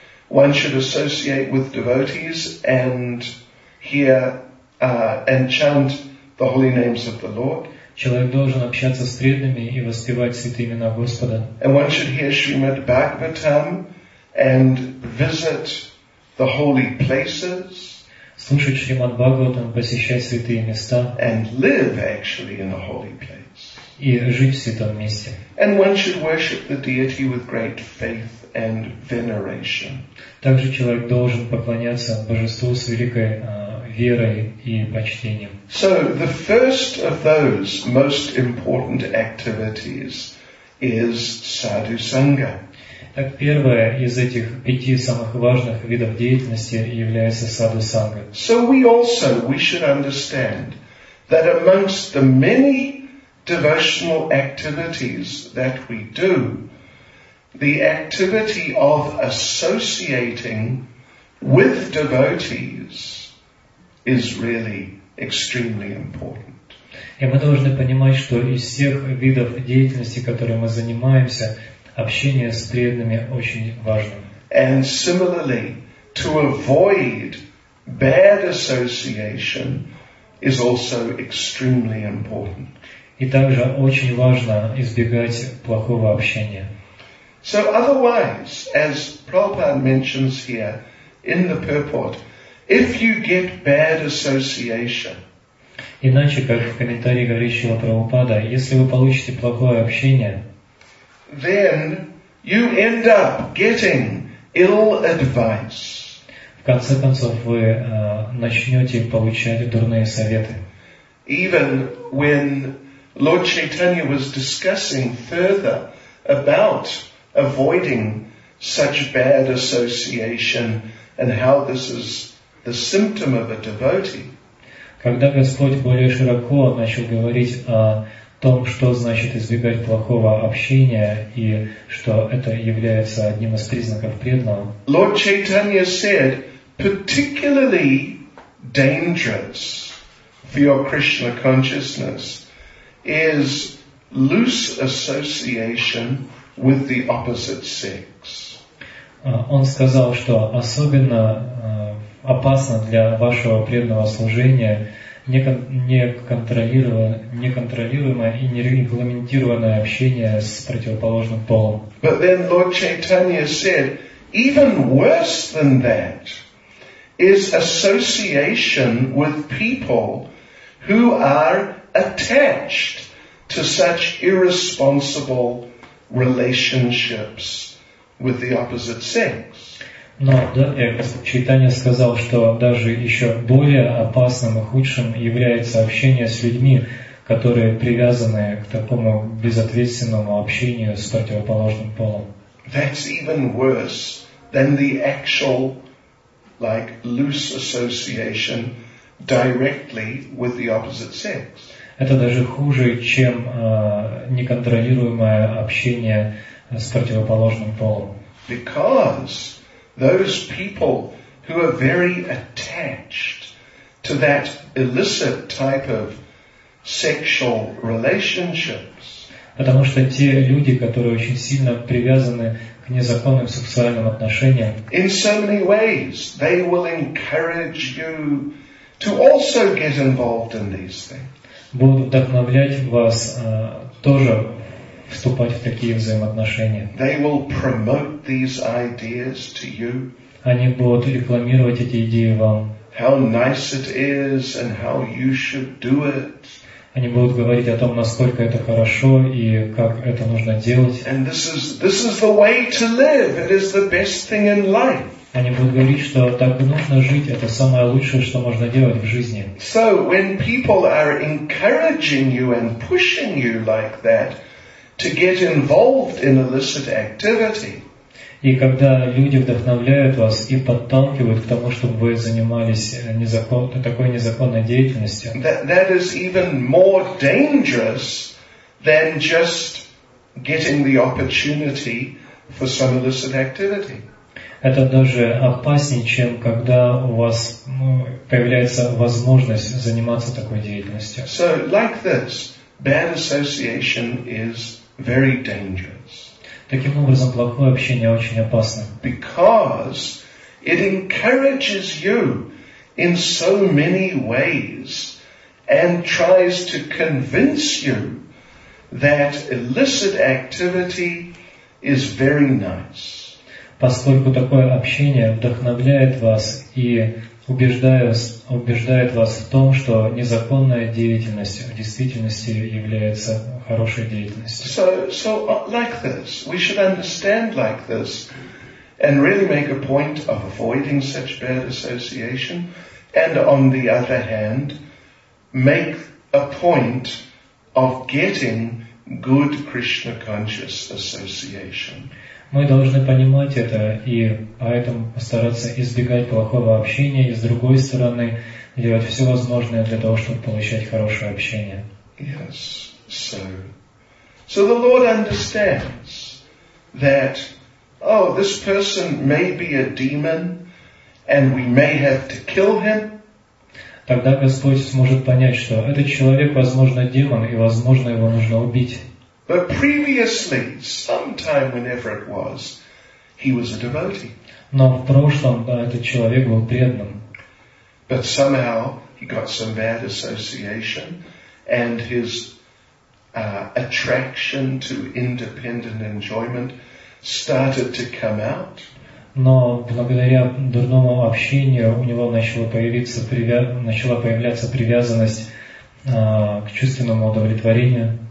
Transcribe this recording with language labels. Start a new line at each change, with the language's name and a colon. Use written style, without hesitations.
English: One should associate with devotees and hear and chant the holy names of the Lord.
Russian: Человек должен общаться с преданными и воспевать святые имена Господа.
English: And one should hear Srimad Bhagavatam and visit the holy places.
Russian: Слушать Шримад Бхагаватам, посещать святые места.
English: And live actually in a holy place.
Russian: И жить в святом месте.
English: And one should worship the deity with great faith and veneration.
Russian: Также человек должен поклоняться божеству с великой верой и почтением.
English: So the first of those most important activities is sadhu sangha.
Russian: Так первое из этих пяти самых важных видов деятельности является саду санга.
English: So we also we should understand that amongst the many devotional activities that we do, the activity of associating with devotees is really extremely important.
Russian: И мы должны понимать, что из всех видов деятельности, которые мы занимаемся, общение с преданными очень важно.
English: And similarly, to avoid bad association is also extremely important.
Russian: И также очень важно избегать плохого общения.
English: So otherwise, as Prabhupada mentions here in the purport, if you get bad association,
Russian: иначе, как в комментарии говорящего Прабхупада, если вы получите плохое общение,
English: then you end up getting ill advice.
Russian: В конце концов, вы начнете получать дурные советы.
English: Even when Lord Chaitanya was discussing further about avoiding such bad association and how this is the symptom of a devotee.
Russian: Когда Господь более широко начал говорить о том, что значит избегать плохого общения и что это является одним из признаков преданного.
English: Lord Chaitanya said, particularly dangerous for your Krishna consciousness is loose association with the opposite sex.
Russian: Он сказал, что особенно опасно для вашего преданного служения неконтролируемое и нерегламентированное общение с противоположным полом.
English: But then Lord Chaitanya said, even worse than that is association with people who are attached to such irresponsible relationships with the opposite sex.
Russian: Но Чайтанья сказал, что даже еще более опасным и худшим является общение с людьми, которые привязаны к такому безответственному общению с противоположным полом.
English: That's even worse than the actual, like, loose association directly with the opposite sex.
Russian: Это даже хуже, чем неконтролируемое общение с противоположным полом.
English: Because those people who are very attached to that illicit type of sexual relationships.
Russian: Потому что те люди, которые очень сильно привязаны к незаконным сексуальным отношениям.
English: In so many ways, they will encourage you to also get involved in these things.
Russian: Будут вдохновлять вас тоже вступать в такие взаимоотношения.
English: They will promote these ideas to you.
Russian: Они будут рекламировать эти идеи вам.
English: How nice it is and how you should do it.
Russian: Они будут говорить о том, насколько это хорошо и как это нужно делать.
English: And this is the way to live. It is the best thing in life.
Russian: Они будут говорить, что так нужно жить, это самое лучшее, что можно делать в жизни.
English: So when people are encouraging you and pushing you like that to get involved in illicit activity.
Russian: И когда люди вдохновляют вас и подталкивают к тому, чтобы вы занимались такой незаконной деятельностью.
English: That is even more dangerous than just getting the opportunity for some illicit activity.
Russian: Это даже опаснее, чем когда у вас появляется возможность заниматься такой деятельностью.
English: So, like this, bad association is very dangerous.
Russian: Таким образом, плохое общение очень опасно.
English: Because it encourages you in so many ways and tries to convince you that illicit activity is very nice.
Russian: Поскольку такое общение вдохновляет вас и убеждает вас в том, что незаконная деятельность в действительности является хорошей деятельностью.
English: So like this, we should understand like this and really make a point of avoiding such bad association and on the other hand make a point of getting good Krishna conscious association.
Russian: Мы должны понимать это и поэтому постараться избегать плохого общения и с другой стороны делать все возможное для того, чтобы получать хорошее общение.
English: Yes, so. So the Lord understands that, oh, this person may be a demon and we may have to kill him.
Russian: Тогда Господь сможет понять, что этот человек, возможно, демон, и, возможно, его нужно убить.
English: But previously, sometime whenever it was, he was a devotee.
Russian: Но в прошлом, да, этот человек был преданным.
English: But somehow he got some bad association and his attraction to independent enjoyment started to come out.
Russian: Но благодаря дурному общению у него начала появляться привязанность к чувственному удовлетворению.